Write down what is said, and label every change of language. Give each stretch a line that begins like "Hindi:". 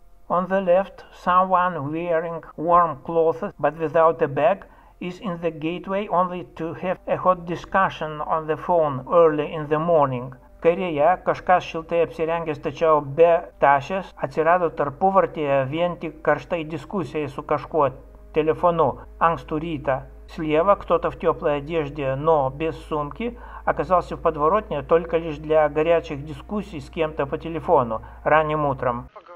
English: On the left, someone wearing warm clothes but without a bag is in the gateway only to have a hot discussion on the phone early in the morning.
Lithuanian: Kairėje kažkas šiltai apsirengęs, tačiau be tašės, atsirado tarpuvartėje vien tik karštai diskusijai su kažkuo telefonu ankstų rytą.
Russian: Слева кто-то в теплой одежде, но без сумки, оказался в подворотне только лишь для горячих дискуссий с кем-то по телефону ранним утром.